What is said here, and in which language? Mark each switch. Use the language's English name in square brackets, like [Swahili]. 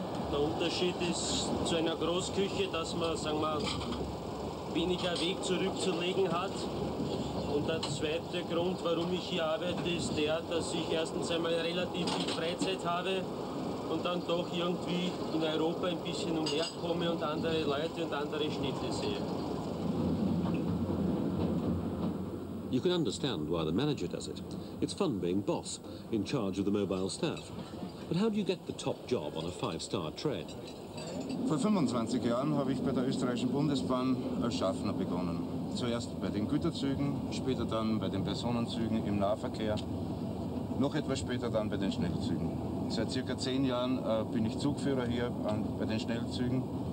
[German] Der Unterschied ist zu einer Großküche, dass man, sagen wir, weniger Weg zurückzulegen hat. Und der zweite Grund, warum ich hier arbeite, ist der, dass ich erstens einmal relativ viel Freizeit habe und dann doch irgendwie in Europa ein bisschen umherkomme und andere Leute und andere Städte sehe. [English] You can understand why the manager does it. It's fun being boss, in charge of the mobile staff. But how do you get the top job on a 5-star train? [German] Vor 25 Jahren habe ich bei der Österreichischen Bundesbahn als Schaffner begonnen. Zuerst bei den Güterzügen, später dann bei den Personenzügen im Nahverkehr, noch etwas später dann bei den Schnellzügen. Seit circa 10 Jahren bin ich Zugführer hier bei den Schnellzügen.